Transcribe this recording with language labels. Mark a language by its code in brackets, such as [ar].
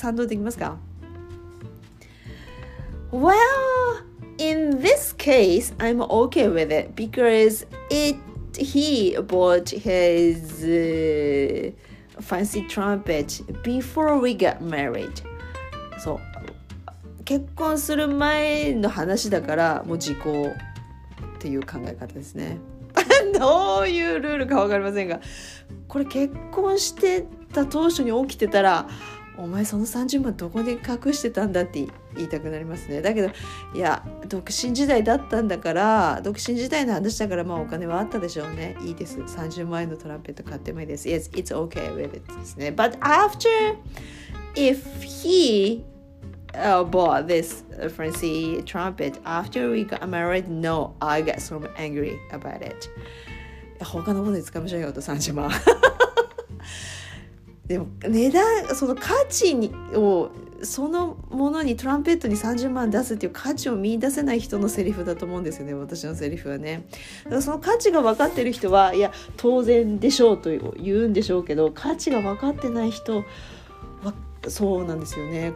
[ja] 賛同できますか [en] Well, in this case, I'm okay with it because he bought his fancy trumpet before we got married. [ja] そう、結婚する前の話だからもう時効っていう考え方ですね。どういうルールか分かりませんがこれ結婚してた当初に起きてたらお前その30万どこで隠してたんだって言いたくなりますね。だけどいや独身時代だったんだから、独身時代の話だから、まあお金はあったでしょうね。いいです、30万円のトランペット買ってもいいです。 [en] Yes, it's okay with it [ja] ですね。 [en] But after if heBought this fancy trumpet after we got married. No, I got so angry about it. [ja] 他のものに使いましょうよと30万。でも値段、その価値を、そのものに、トランペットに30万出すっていう価値を見出せない人のセリフだと思うんですよね、私のセリフはね。だからその価値が分かってる人は、いや当然でしょうと言うんでしょうけど、価値が分かってない人はそうなんですよね。